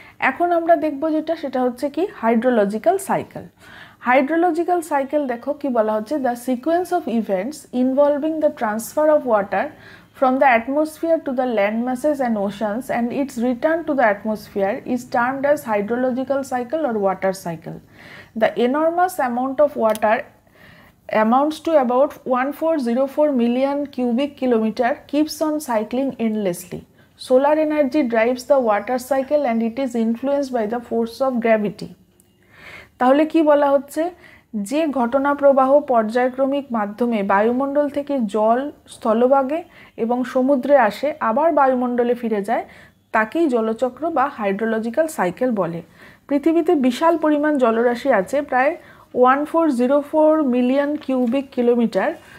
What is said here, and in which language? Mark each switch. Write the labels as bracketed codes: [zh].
[bn] এখন আমরা দেখব যেটা, সেটা হচ্ছে কি, হাইড্রোলজিক্যাল সাইকেল। [en] hydrological cycle [bn] দেখো কি বলা হচ্ছে, [en] The sequence of events involving the transfer of water from the atmosphere to the land masses and oceans and its return to the atmosphere is termed as hydrological cycle or water cycle. The enormous amount of water amounts to about 1404 million cubic kilometer keeps on cycling endlessly. Solar energy drives the water cycle and it is influenced by the force of gravity. [bn] তাহলে কি বলা হচ্ছে যে ঘটনা প্রবাহ পর্যায়ক্রমিক মাধ্যমে বায়ুমণ্ডল থেকে জল স্থলভাগে এবং সমুদ্রে আসে আবার বায়ুমণ্ডলে ফিরে যায় তাকেই জলচক্র বা হাইড্রোলজিক্যাল সাইকেল বলে পৃথিবীতে বিশাল পরিমাণ জলরাশি আছে প্রায় 1404 মিলিয়ন কিউবিক কিলোমিটার